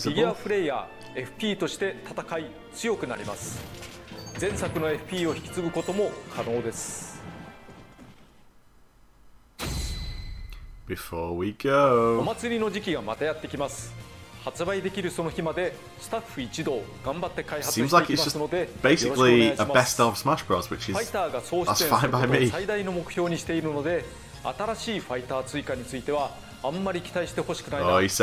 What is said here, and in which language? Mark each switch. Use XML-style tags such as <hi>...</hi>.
<ja>フィギュアプレイヤー、FP として戦い強くなります。前作の FP を引き継ぐことも可能です。</ja> <en>Before we go.</en> <ja>お祭りの時期がまたやってきます。発売できるその日までスタッフ一同頑張って開発していきますので、</ja> <en>basically a best of Smash Bros, which is that's fine by me.</en> <ja>最大の目標にしているので、新しいファイター追加についてはあんまり期待してほしくないなと思います。</ja>